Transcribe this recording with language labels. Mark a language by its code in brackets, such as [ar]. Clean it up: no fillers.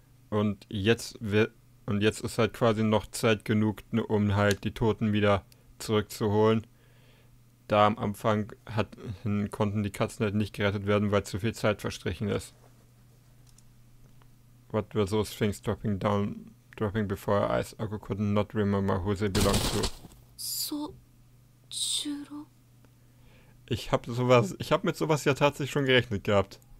[de] Und jetzt ist halt quasi noch Zeit genug, um halt die Toten wieder zurückzuholen. Da am Anfang konnten die Katzen halt nicht gerettet werden, weil zu viel Zeit verstrichen ist. [en] What were those things dropping before her eyes? Aku could not remember who they belonged to. [de] So, Chiro? Ich hab mit sowas ja tatsächlich schon gerechnet gehabt.